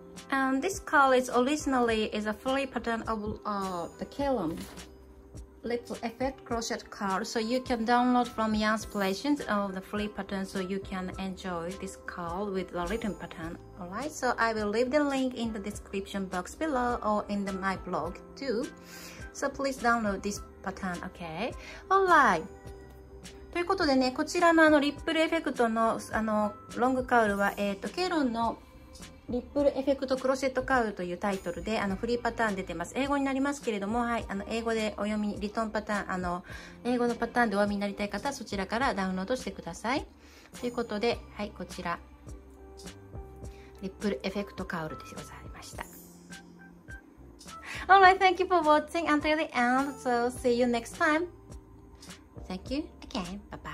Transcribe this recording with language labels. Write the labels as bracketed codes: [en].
[en] And this curl is originally a free pattern of the Kalum Little Effect Crochet Curl. So you can download from Yarnspirations of the free pattern, so you can enjoy this curl with the written pattern. Alright, so I will leave the link in the description box below or in my blog too. So please download this pattern, okay? Alright. [ja] ということでね、こちらのリップルエフェクトのロングカウルは、ケロンのリップルエフェクトクロセットカウルというタイトルでフリーパターン出てます。英語になりますけれども、はい、英語でお読み、リトンパターン、英語のパターンでお読みになりたい方はそちらからダウンロードしてください。ということで、はい、こちら、リップルエフェクトカウルでございました。 [en] Alright, thank you for watching until the end. So, see you next time. Thank you again.